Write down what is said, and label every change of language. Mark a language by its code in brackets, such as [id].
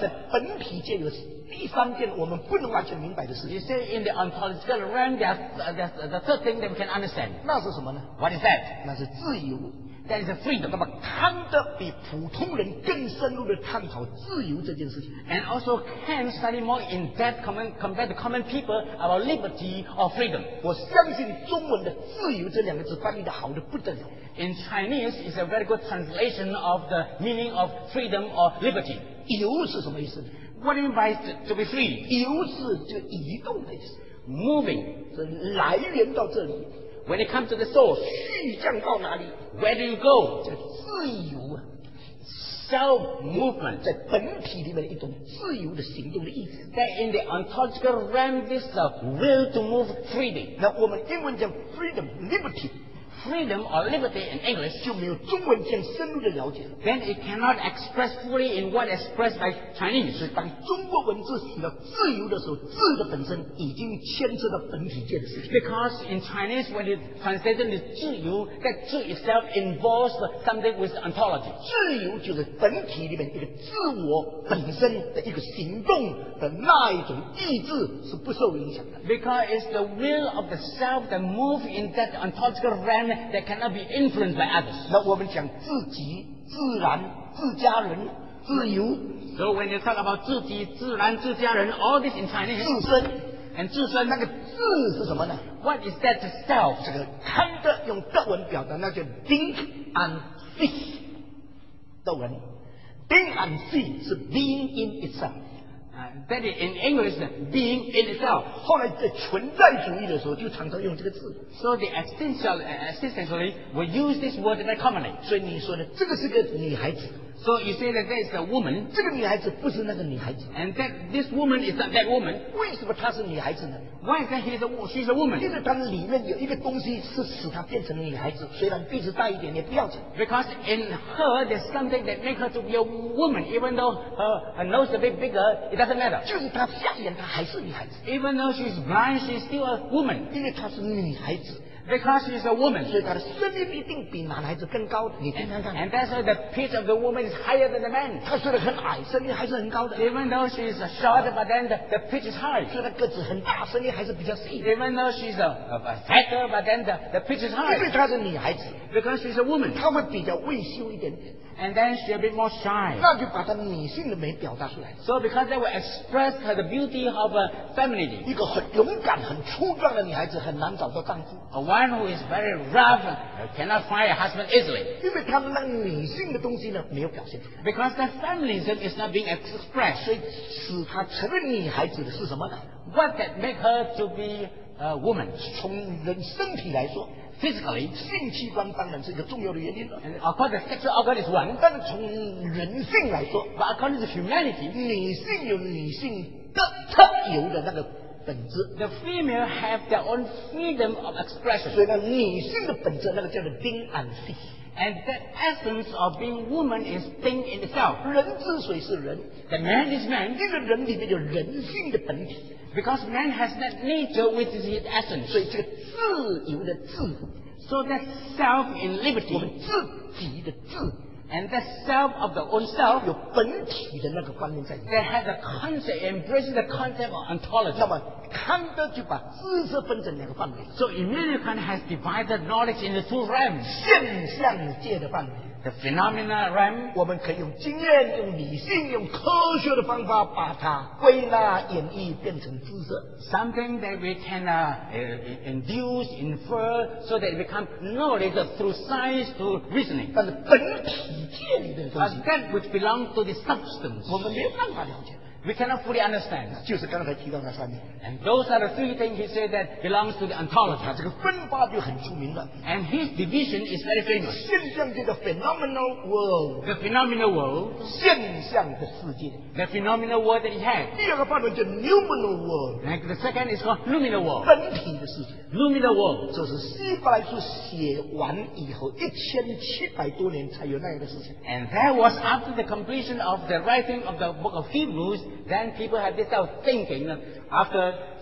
[zh] 在本体界有第三件我们不能完全明白的事情。 [en] You say in the ontological realm there's the third thing that we can understand. [zh] 那是什么呢 [en] ？What is that？ [zh] 那是自由。 [en] That is a freedom. [zh] 那么康德比普通人更深入地探讨自由这件事情。 [en] And also Kant study more in depth compared to common people about liberty or freedom. [zh] 我相信中文的自由这两个字翻译得好得不得了。 [en] In Chinese, it's a very good translation of the meaning of freedom or liberty. [zh] 由是什么意思？ [en] What do you mean by to be free? [zh] 由是就移动的意思。 [en] Moving. [zh] 是来源到这里。 [en] When it comes to the source, [zh] 去向到哪里？ [en] Where do you go? [zh] 在自由啊， [en] self movement [zh] 在本体里面一种自由的行动的意思。 [en] That in the ontological realm, this is a will to move freely. [zh] 那我们英文讲 freedom, liberty, [en] freedom or liberty in English, [zh] 就没有中文这样深入的了解了。 [en] Then it cannot express fully in what expressed by Chinese. [zh] 所以当中国文字写了自由的时候，字的本身已经牵涉到本体建设。 [en] Because in Chinese, when it translated as 自由 that 字 itself involves something with ontology. [zh] 自由就是本体里面一个自我本身的一个行动的那一种意志是不受影响的。 [en] Because it's the will of the self that moves in that ontological realm that cannot be influenced by others. [zh] 那我们讲自己、自然、自家人、自由。 [en] So when you talk about [zh] 自己、自然、自家人， [en] all this in Chinese. [zh] 自身 [en] and 自身 [zh] 那个自是什么呢？ [en] What is that self? [zh] 这个看的用德文表达，那叫 Ding and Sich。德文 Ding and Sich 是 [en] being in itself。 That is in English, being in itself. [zh] 后来在存在主义的时候，就常常用这个字。 [en] So the existentially, we use this word very commonly. [zh] 所以你说呢，这个是个女孩子。 [en] So you say that there is a woman. [zh] 这个女孩子不是那个女孩子。 [en] And that this woman is not that woman. [zh] 为什么她是女孩子呢？ [en] Why is that she's a woman? [zh] 因为她里面有一个东西是使她变成女孩子，虽然鼻子大一点也不要紧。 [en] Because in her, there's something that makes her to be a woman, even though her nose is a bit bigger, it doesn't matter. [zh] 就是她瞎眼，她还是女孩子。 [en] Even though she's blind, she's still a woman. [zh] 因为她是女孩子。 [en] Because she's a woman, [zh] 所以她的声音一定比男孩子更高。你听看看。 [en] And that's why the pitch of the woman is higher than the man. [zh] 她虽然很矮，声音还是很高的。 [en] Even though she's short, but then the pitch is high. [zh] 虽然个子很大，声音还是比较细。 [en] Even though she's a fatter, but then the pitch is high. [zh] 因为她是女孩子。 [en] Because she's a woman, [zh] 她会比较畏羞一点点。 [en] And then she'll be more shy. [zh] 那就把她女性的美表达出来。 [en] So because they will express her the beauty of a femininity. [zh] 一个很勇敢、很粗壮的女孩子很难找到丈夫。 [en] A one who is very rough cannot find a husband easily. [zh] 因为她那女性的东西呢没有表现出来。 [en] Because that feminism is not being expressed. [zh] 所以使她成为女孩子的是什么呢？ [en] What that make her to be a woman? [zh] 从人身体来说。 [en] Physically, [zh] 性器官当然是一个重要的原因了。 [en] According to sexual organ is one. [zh] 但从人性来说 [en] ，but according to humanity, [zh] 女性有女性的特有的那个本质。 [en] The female have their own freedom of expression. [zh] 所以呢，女性的本质那个叫做 [en] being and being。 And the essence of being woman is being in itself. [zh] 人之所以是人 [en] ，the man is man. [zh] 因为人里面有人性的本体。 [en] Because man has that nature which is his essence. [zh] 所以这个自由的自 [en] So that self in liberty. [zh] 我们自己的自 [en] And that self of the own self. [zh] 有本体的那个观念在 [en] That has a concept, embraces the concept of ontology. [zh] 那么康德就把知识分成两个范围 [en] So immediately Kant has divided knowledge into two realms. [zh] 现象界的范围 [en] The phenomena realm, [zh] 我们可以用经验、用理性、用科学的方法把它归纳、演绎，变成知识。 [en] Something that we can induce, infer, so that it becomes knowledge through science, through reasoning. [zh] 但是本体界里的东西 [en] ，but that which belongs to the substance, [zh] 我们没有办法了解。 [en] We cannot fully understand. [zh] 就是刚才提到那三点。 [en] And those are the three things he said that belongs to the ontology. [zh] 这个分发就很出名了。 [en] And his division is very famous. [zh] 现象界的 [en] phenomenal world. The phenomenal world. [zh] 现象的世界。 [en] The phenomenal world that he had. [zh] 第二个范围叫 [en] noumenal world. And the second is called luminal world. [zh] 本体的世界。 [en] Luminal world. [zh] 这是希伯来书写完以后1700多年才有那样的事情。 [en] And that was after the completion of the writing of the book of Hebrews. Then people have this type of thinking after